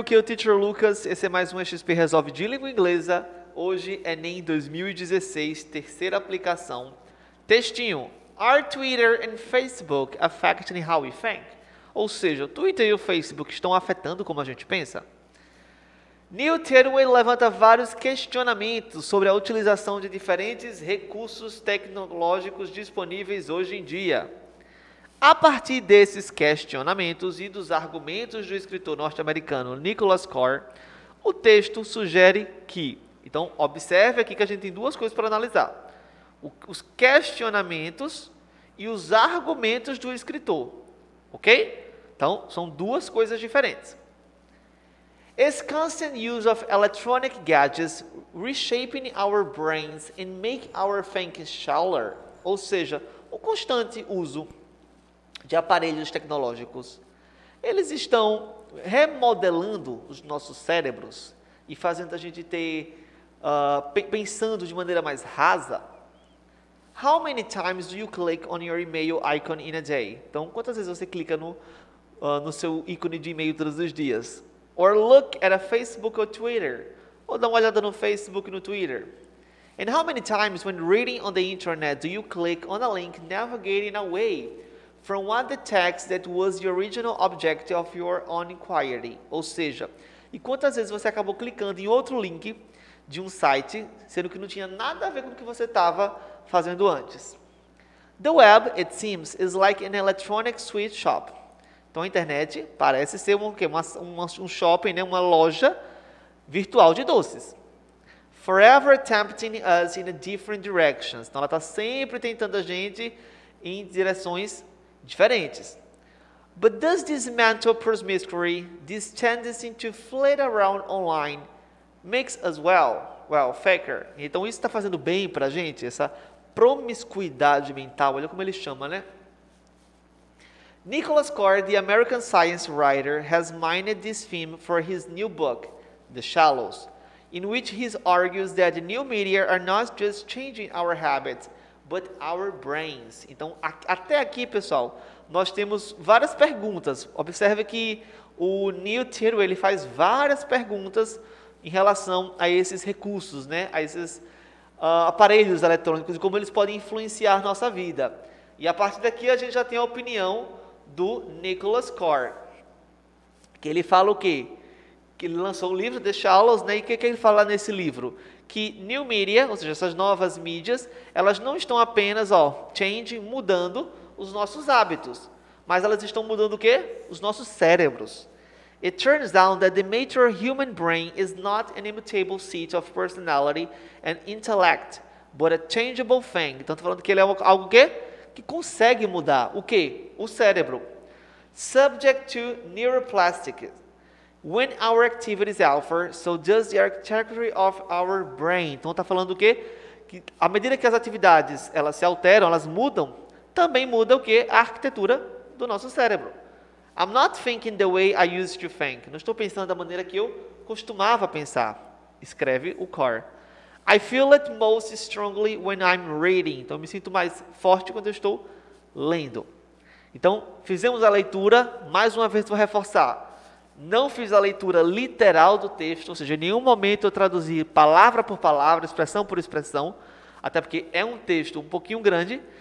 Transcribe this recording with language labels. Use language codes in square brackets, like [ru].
[pt] Aqui é o Teacher Lucas, esse é mais um XP Resolve de Língua Inglesa. Hoje é Enem 2016, terceira aplicação. Textinho, [en] are Twitter and Facebook affecting how we think? [pt] Ou seja, o Twitter e o Facebook estão afetando como a gente pensa? Neil Tweedie levanta vários questionamentos sobre a utilização de diferentes recursos tecnológicos disponíveis hoje em dia. A partir desses questionamentos e dos argumentos do escritor norte-americano Nicholas Carr, o texto sugere que... Então, observe aqui que a gente tem duas coisas para analisar. Os questionamentos e os argumentos do escritor. Ok? Então, são duas coisas diferentes. [en] Is constant use of electronic gadgets reshaping our brains and make our thinking shallower? [pt] Ou seja, o constante uso de aparelhos tecnológicos, eles estão remodelando os nossos cérebros e fazendo a gente ter pensando de maneira mais rasa. [en] How many times do you click on your email icon in a day? [pt] Então, quantas vezes você clica no seu ícone de e-mail todos os dias? [en] Or look at a Facebook or Twitter? [pt] Ou dá uma olhada no Facebook e no Twitter? [en] And how many times when reading on the internet do you click on a link navigating away from what the text that was the original object of your own inquiry? [pt] Ou seja, e quantas vezes você acabou clicando em outro link de um site, sendo que não tinha nada a ver com o que você estava fazendo antes? [en] The web, it seems, is like an electronic sweet shop. [pt] Então, a internet parece ser um shopping, né? Uma loja virtual de doces. [en] Forever tempting us in different directions. [pt] Então, ela está sempre tentando a gente em direções diferentes. [en] But does this mental promiscuity, this tendency to flit around online, makes us well, faker? [pt] Então isso está fazendo bem para a gente, essa promiscuidade mental, olha como ele chama, né? [en] Nicholas Carr, the American science writer, has mined this theme for his new book, The Shallows, in which he argues that the new media are not just changing our habits, but our brains. [pt] Então, até aqui, pessoal, nós temos várias perguntas. Observe que o Neil Tweedie, ele faz várias perguntas em relação a esses recursos, né? A esses aparelhos eletrônicos e como eles podem influenciar nossa vida. E a partir daqui, a gente já tem a opinião do Nicholas Carr. Que ele fala o quê? Que ele lançou o livro, The Shallows, né? E o que ele fala nesse livro? Que new media, ou seja, essas novas mídias, elas não estão apenas, ó, changing, mudando os nossos hábitos. Mas elas estão mudando o quê? Os nossos cérebros. [en] It turns out that the mature human brain is not an immutable seat of personality and intellect, but a changeable thing. [pt] Então, estou falando que ele é algo o quê? Que consegue mudar. O quê? O cérebro. [en] Subject to neuroplastic. When our activity is alpha, so does the architecture of our brain. [pt] Então, está falando o quê? Que à medida que as atividades elas se alteram, elas mudam, também muda o quê? A arquitetura do nosso cérebro. [en] I'm not thinking the way I used to think. [pt] Não estou pensando da maneira que eu costumava pensar. Escreve o Carr. [en] I feel it most strongly when I'm reading. [pt] Então, eu me sinto mais forte quando eu estou lendo. Então, fizemos a leitura. Mais uma vez, vou reforçar. Não fiz a leitura literal do texto, ou seja, em nenhum momento eu traduzi palavra por palavra, expressão por expressão, até porque é um texto um pouquinho grande.